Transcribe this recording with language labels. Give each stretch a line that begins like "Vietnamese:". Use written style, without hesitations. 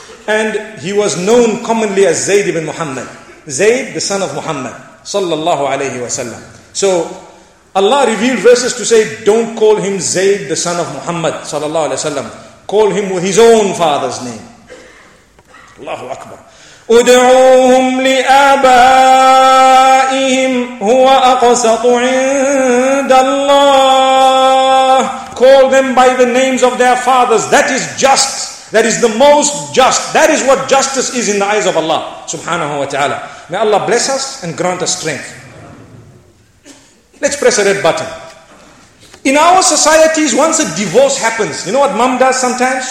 English: And he was known commonly as Zayd ibn Muhammad. Zayd, the son of Muhammad sallallahu alayhi wa sallam. So Allah revealed verses to say, don't call him Zayd, the son of Muhammad sallallahu alayhi wa sallam. Call him with his own father's name. Allahu Akbar.
Arabic: أدعوهم لآبائهم هو أقسط عند الله.
English: Call them by the names of their fathers. That is just. That is the most just. That is what justice is in the eyes of Allah subhanahu wa ta'ala. May Allah bless us and grant us strength. Let's press a red button. In our societies, once a divorce happens, you know what mom does sometimes?